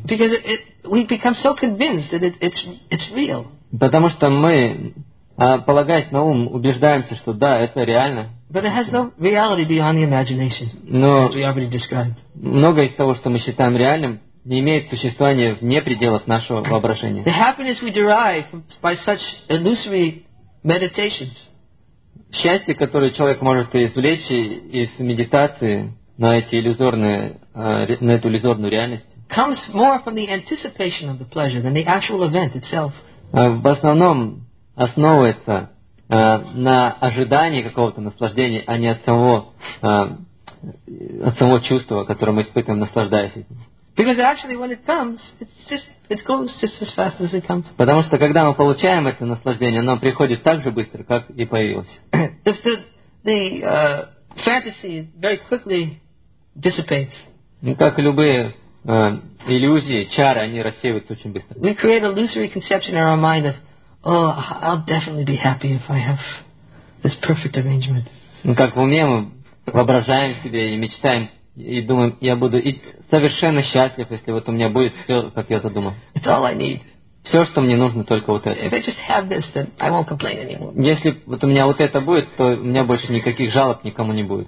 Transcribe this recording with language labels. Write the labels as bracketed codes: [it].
[en] Because we become so convinced that it's real. [ru] Потому что мы, полагаясь на ум, убеждаемся, что да, это реально. [en] But it has no reality beyond the imagination, as we already described. [ru] Многое из того, что мы считаем реальным, не имеет существования вне пределов нашего воображения. [en] The happiness we derive by such illusory meditations. [ru] счастье, которое человек может извлечь из медитации на эти иллюзорные, на эту иллюзорную реальность, [en] comes more from the anticipation of the pleasure than the actual event itself. [ru] В основном основывается на ожидании какого-то наслаждения, а не от самого, от самого чувства, которое мы испытываем, наслаждаясь этим. [en] Because actually, when it comes, it goes just as fast as it comes. [ru] Потому что когда мы получаем это наслаждение, оно приходит так же быстро, как и появилось. [en] If the fantasy very quickly dissipates. [ru] Как любые иллюзии, чары, они рассеиваются очень быстро. [en] We create an illusory conception in our mind of, oh, I'll definitely be happy if I have this perfect arrangement. [ru] Как в уме мы воображаем себе и мечтаем. И думаем, я буду и совершенно счастлив, если вот у меня будет все, как я задумал. [en] It's all I need. [ru] Все, что мне нужно, только вот это. [en] If I just have this, then I won't complain anymore. [ru] Если вот у меня вот это будет, то у меня больше никаких жалоб никому не будет.